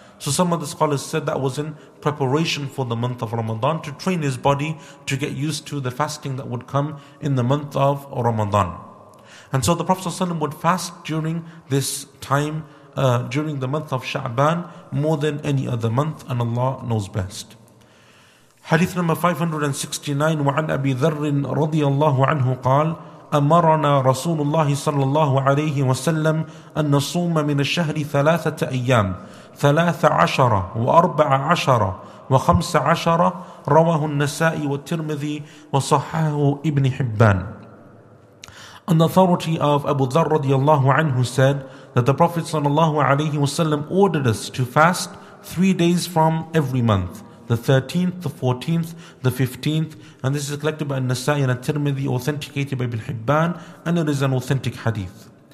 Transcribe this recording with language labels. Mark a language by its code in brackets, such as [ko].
[en] So some of the scholars said that was in preparation for the month of Ramadan, to train his body to get used to the fasting that would come in the month of Ramadan. And so the Prophet ﷺ would fast during this time, during the month of Sha'ban, more than any other month, and Allah knows best. Hadith number 569, [ar] وعن أبي ذر رضي الله عنه قال أمرنا رسول الله صلى الله عليه وسلم أن نصوم من الشهر ثلاثة أيام 13 و14 وخمس عشر رواه النسائي والترمذي وصححه ابن حبان. [en] An authority of Abu Dharr radiallahu anhu said that the Prophet sallallahu alayhi wasallam ordered us to fast 3 days from every month, the 13th, the 14th, the 15th, and this is collected by An-Nasa'i and At-Tirmidhi, authenticated by Ibn Hibban, and it is an authentic hadith.